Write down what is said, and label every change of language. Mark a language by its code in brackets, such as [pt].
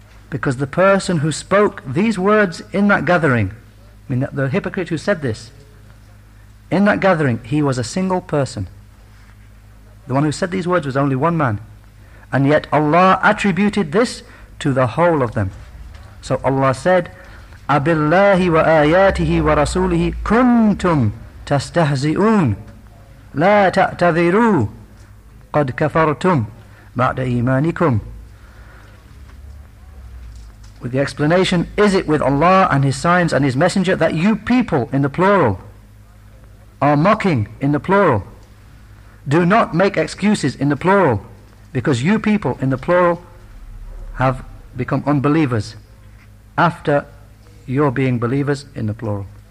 [en] Because the person who spoke these words in that gathering, I mean the hypocrite who said this, in that gathering, he was a single person. The one who said these words was only one man. And yet Allah attributed this to the whole of them. So Allah said, [ar] أَبِاللَّهِ وَآيَاتِهِ وَرَسُولِهِ كُنْتُمْ تَسْتَهْزِئُونَ لَا تَعْتَذِرُوا قَدْ كَفَرْتُمْ بَعْدَ إِيمَانِكُمْ. [en] With the explanation, is it with Allah and His signs and His Messenger that you people, in the plural, are mocking, in the plural? Do not make excuses, in the plural, because you people, in the plural, have become unbelievers after your being believers, in the plural.